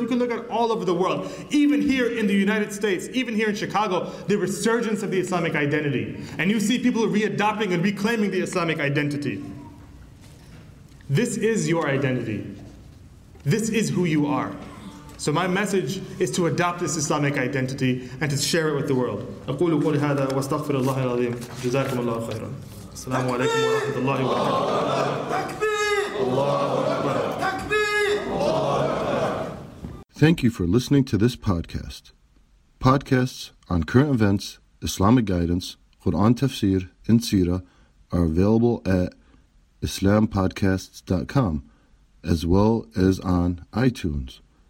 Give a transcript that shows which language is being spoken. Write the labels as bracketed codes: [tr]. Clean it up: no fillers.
[en] You can look at all over the world. Even here in the United States, even here in Chicago, the resurgence of the Islamic identity. And you see people readopting and reclaiming the Islamic identity. This is your identity. This is who you are. So my message is to adopt this Islamic identity and to share it with the world. [ar] أقول قول هذا واستغفر الله العظيم جزاكم الله خيرا السلام عليكم ورحمة الله وبركاته تكبير الله أكبر تكبير [en] Thank you for listening to this podcast. Podcasts on current events, Islamic guidance, Quran tafsir, and Sira are available at islampodcasts.com as well as on iTunes.